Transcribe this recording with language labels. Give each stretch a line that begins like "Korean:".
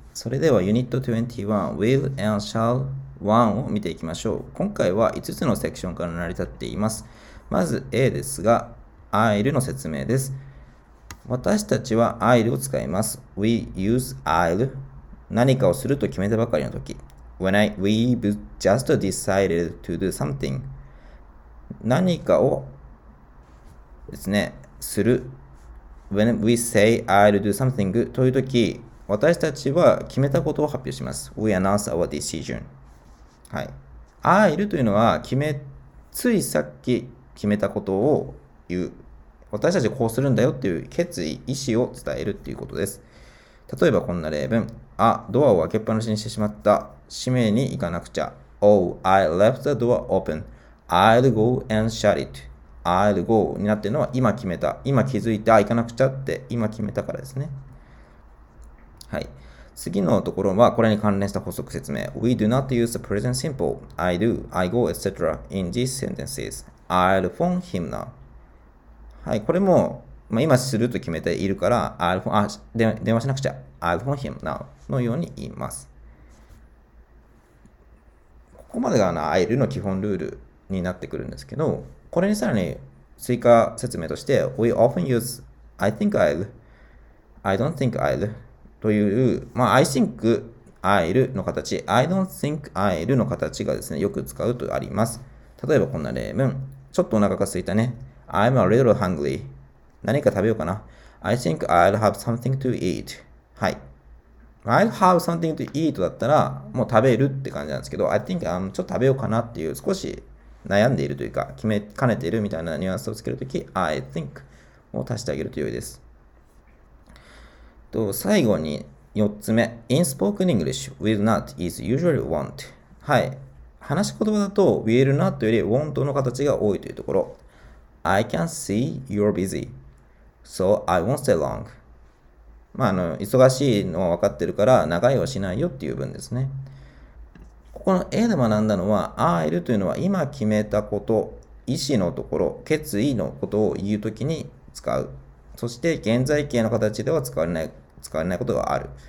Japanese: それではユニット21 Will and Shall 1を見ていきましょう。今回は5つのセクションから成り立っています。まず A ですが、I'll の説明です。私たちは I'll を使います。
English: We use I'll
Japanese: 何かをすると決めたばかりの時。
English: We've just decided to do something
Japanese: 何かをですね、する。
English: When we say I'll do something
Japanese: という時、私たちは決めたことを発表します。
English: We announce our decision.
Japanese: はい。 I'll というのは、ついさっき決めたことを言う。私たちこうするんだよっていう決意、意思を伝えるっていうことです。例えばこんな例文。あ、ドアを開けっぱなしにしてしまった。閉めに行かなくちゃ。
English: Oh, I left the door open. I'll go and shut it.
Japanese: I'll go になっているのは今決めた、今気づいて、あ、行かなくちゃって今決めたからですね。はい。次のところはこれに関連した補足説明。
English: We do not use the present simple I do, I go, etc. in these sentences. I'll phone him now.
Japanese: はい。これも、まあ、今すると決めているから、電話しなくちゃ。 I'll phone him now のように言います。ここまでが I'll の基本ルールになってくるんですけど、これにさらに追加説明として、
English: We often use I think I'll,
Japanese: I don't think I'll という、まあ、I think I'll の形、I don't think I'll の形がですね、よく使うとあります。例えばこんな例文。ちょっとお腹が空いたね。
English: I'm a little hungry.
Japanese: 何か食べようかな。
English: I think I'll have something to eat.
Japanese: はい。 I'll have something to eat だったら、もう食べるって感じなんですけど、I think I'm ちょっと食べようかなっていう、少し悩んでいるというか、決めかねているみたいなニュアンスをつけるとき、I think を足してあげると良いです。と最後に4つ目。
English: In spoken English, will not is usually won't.
Japanese: はい。話し言葉だと、will not より won't の形が多いというところ。
English: I can see you're busy, so I won't stay long.
Japanese: まあ、忙しいのは分かってるから、長いはしないよっていう文ですね。ここの A で学んだのは、I'll というのは今決めたこと、意思のところ、決意のことを言うときに使う。そして現在形の形では使われないことがある。